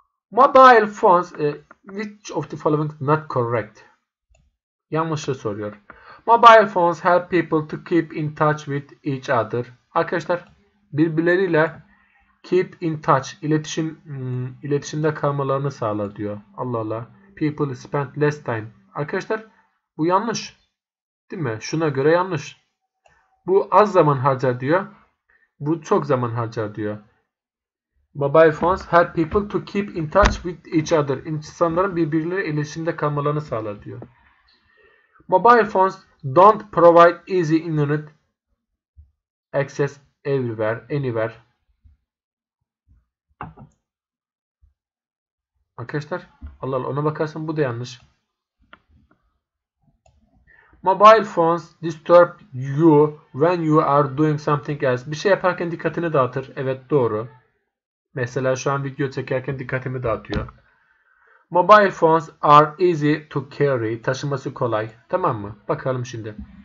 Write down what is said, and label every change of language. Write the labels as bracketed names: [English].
[English] Mobile phones, which of the following is not correct? [Turkish] Yanlışı soruyor. [English] Mobile phones help people to keep in touch with each other. [Turkish] Arkadaşlar, birbirleriyle keep in touch, iletişimde kalmalarını sağlar diyor. Allah Allah. [English] People spend less time. [Turkish] Arkadaşlar, bu yanlış. Değil mi? Şuna göre yanlış. Bu az zaman harcar diyor. Bu çok zaman harcar diyor. [English] Mobile phones help people to keep in touch with each other. [Turkish] İnsanların birbirleriyle iletişimde kalmalarını sağlar diyor. [English] Mobile phones don't provide easy internet access everywhere, anywhere. [Turkish] Arkadaşlar, Allah Allah, ona bakarsan bu da yanlış. [English] Mobile phones disturb you when you are doing something else. [Turkish] Bir şey yaparken dikkatini dağıtır. Evet, doğru. Mesela şu an video çekerken dikkatimi dağıtıyor. [English] Mobile phones are easy to carry. [Turkish] Taşıması kolay. Tamam mı? Bakalım şimdi.